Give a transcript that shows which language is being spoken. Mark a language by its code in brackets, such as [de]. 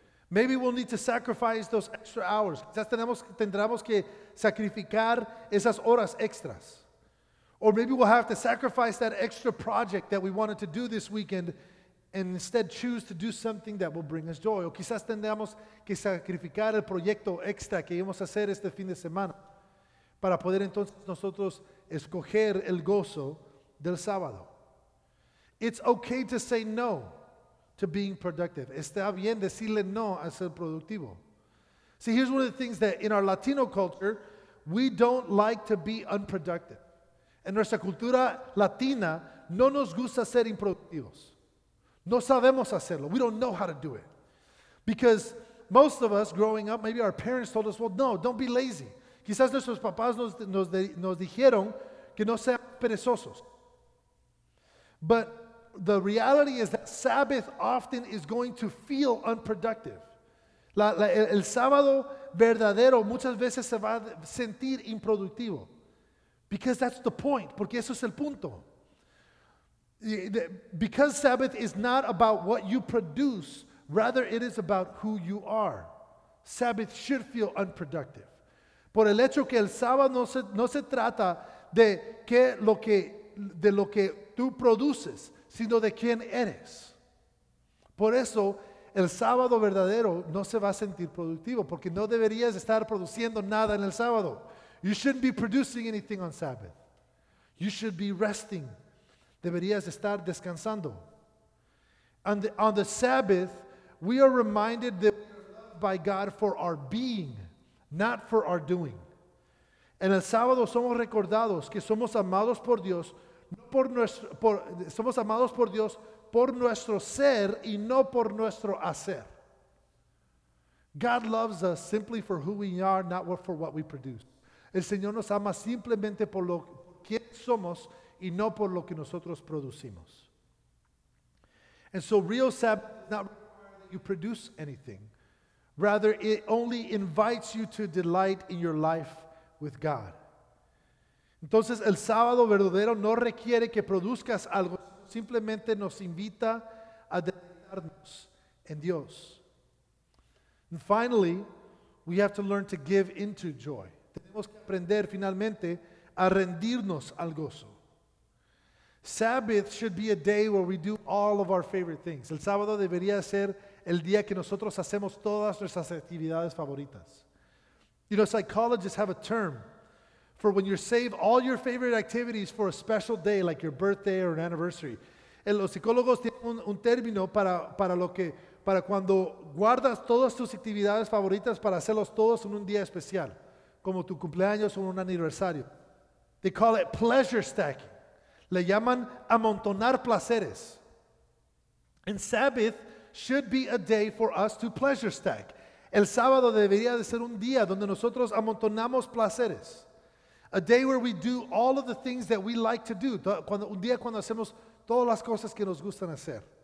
[en] Maybe we'll need to sacrifice those extra hours. [es] Quizás tendremos que sacrificar esas horas extras. [en] Or maybe we'll have to sacrifice that extra project that we wanted to do this weekend and instead choose to do something that will bring us joy. [es] O quizás tendremos que sacrificar el proyecto extra que íbamos a hacer este fin de semana para poder entonces nosotros escoger el gozo del sábado. [en] It's okay to say no to being productive. [es] Está bien decirle no a ser productivo. [en] See, here's one of the things that in our Latino culture, we don't like to be unproductive. [es] En nuestra cultura latina, no nos gusta ser improductivos. No sabemos hacerlo. [en] We don't know how to do it. Because most of us growing up, maybe our parents told us, well, no, don't be lazy. [es] Quizás nuestros papás nos dijeron que no seamos perezosos. [en] But the reality is that Sabbath often is going to feel unproductive. [es] El sábado verdadero muchas veces se va a sentir improductivo. [en] Because that's the point. [es] Porque eso es el punto. [en] Because Sabbath is not about what you produce, rather it is about who you are. Sabbath should feel unproductive. [es] Por el hecho que el sábado no se trata de lo que tú produces, sino de quién eres. Por eso el sábado verdadero no se va a sentir productivo, porque no deberías estar produciendo nada en el sábado. [en] You shouldn't be producing anything on Sabbath. You should be resting. [es] Deberías estar descansando. [en] On the Sabbath, we are reminded that we are loved by God for our being, not for our doing. [es] En el sábado somos recordados que somos amados por Dios, somos amados por Dios por nuestro ser y no por nuestro hacer. [en] God loves us simply for who we are, not for what we produce. [es] El Señor nos ama simplemente por lo quién somos y no por lo que nosotros producimos. [en] And so real Sabbath does not require that you produce anything. Rather, it only invites you to delight in your life with God. [es] Entonces, el sábado verdadero no requiere que produzcas algo, simplemente nos invita a deleitarnos en Dios. [en] And finally, we have to learn to give into joy. [es] Tenemos que aprender finalmente a rendirnos al gozo. [en] Sabbath should be a day where we do all of our favorite things. [es] El sábado debería ser el día que nosotros hacemos todas nuestras actividades favoritas. [en] You know, psychologists have a term for when you save all your favorite activities for a special day, like your birthday or an anniversary. [es] Los psicólogos tienen un término para lo que para cuando guardas todas tus actividades favoritas para hacerlos todos en un día especial, como tu cumpleaños o un aniversario. [en] They call it pleasure stacking. [es] Le llaman amontonar placeres. [en] And Sabbath should be a day for us to pleasure stack. [es] El sábado debería de ser un día donde nosotros amontonamos placeres. [en] A day where we do all of the things that we like to do. [es] Un día cuando hacemos todas las cosas que nos gustan hacer.